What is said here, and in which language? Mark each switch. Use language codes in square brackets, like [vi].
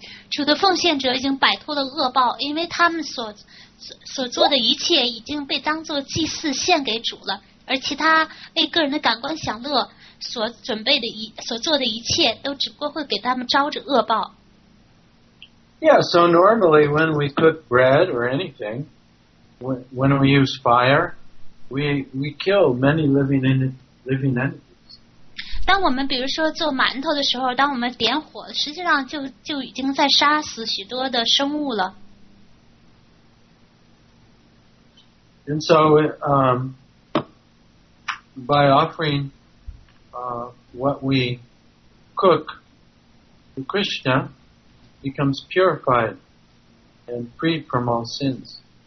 [zh] 主的奉献者已经摆脱了恶报，因为他们所所做的一切已经被当作祭祀献给主了，而其他为个人的感官享乐所准备的所做的一切都只不过会给他们招着恶报。 [en] Yeah, so normally when we cook bread or anything, when we use fire, we kill many living entities. [zh] 当我们比如说做馒头的时候，当我们点火，实际上就已经在杀死许多的生物了。 [en] And so, by offering what we cook to Krishna. Becomes purified and freed from all sins.